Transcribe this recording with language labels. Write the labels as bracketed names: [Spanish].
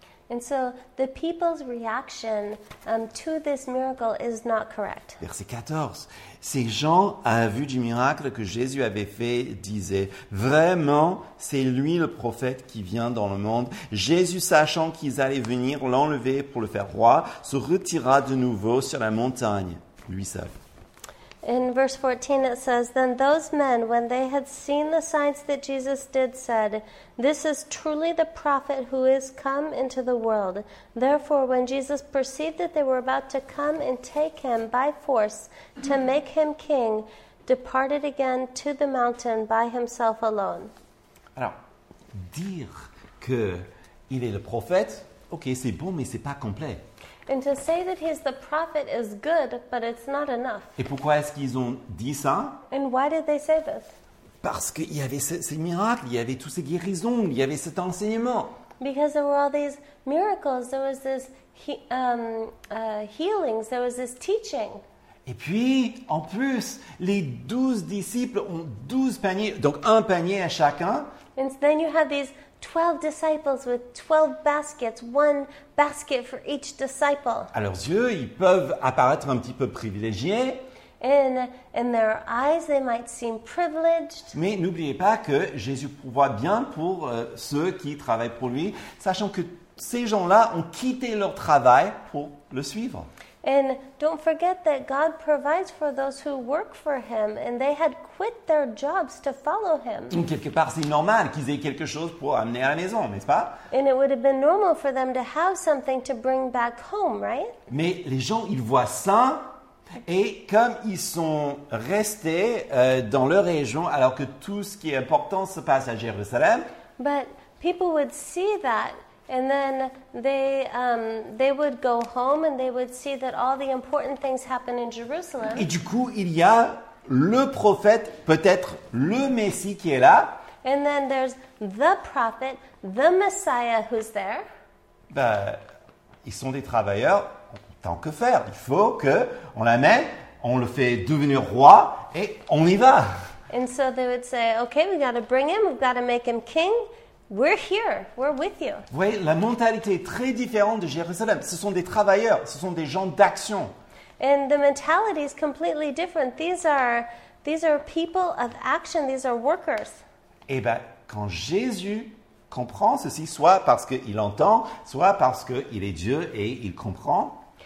[English] And so the people's reaction to this miracle is not correct. [French] Verset 14. Ces gens à la vue du miracle que Jésus avait fait disaient, vraiment, c'est lui le prophète qui vient dans le monde. Jésus, sachant qu'ils allaient venir l'enlever pour le faire roi, se retira de nouveau sur la montagne, lui seul. [English] In verse 14 it says, then those men, when they had seen the signs that Jesus did, said, this is truly the prophet who is come into the world. Therefore, when Jesus perceived that they were about to come and take him by force to make him king, departed again to the mountain by himself alone. [French] Alors, dire que il est le prophète, ok, c'est bon, mais c'est pas complet. [English] And to say that he's the prophet is good, but it's not enough. [French] Et pourquoi est-ce qu'ils ont dit ça? [English] And why did they say this? [French] Parce qu'il y avait ces miracles, il y avait toutes ces guérisons, il y avait cet enseignement. [English] Because there were all these miracles, there was this healings, there was this teaching. [French] Et puis, en plus, les 12 disciples ont 12 paniers, donc un panier à chacun. [English] And then you have these 12 disciples with 12 baskets, one basket for each disciple. [French] À leurs yeux, ils peuvent apparaître un petit peu privilégiés. [English] In their eyes, they might seem privileged. [French] Mais n'oubliez pas que Jésus pourvoit bien pour ceux qui travaillent pour lui, sachant que ces gens-là ont quitté leur travail pour le suivre. [English] And don't forget that God provides for those who work for him and they had quit their jobs to follow him. [French] Donc quelque part, c'est normal qu'ils aient quelque chose pour amener à la maison, n'est-ce pas? [English] And it would have been normal for them to have something to bring back home, right? [French] Mais les gens, ils voient ça et comme ils sont restés dans leur région alors que tout ce qui est important se passe à Jérusalem. [English] But people would see that. And then they would go home and they would see that all the important things happen in Jerusalem. [French] Et du coup, il y a le prophète, peut-être le Messie qui est là. [English] And then there's the prophet, the Messiah who's there. [French] Ils sont des travailleurs, tant que faire. Il faut qu'on l'amène, on le fait devenir roi et on y va. [English] And so they would say, okay, we got to bring him, we've got to make him king. We're here, we're with you. [French] Vous voyez, la mentalité est très différente de Jérusalem. Ce sont des travailleurs, ce sont des gens d'action. [English] And the mentality is completely different. These are people of action, these are workers. [French] Et bien, quand Jésus comprend ceci, soit parce qu'il entend, soit parce qu'il est Dieu et il comprend.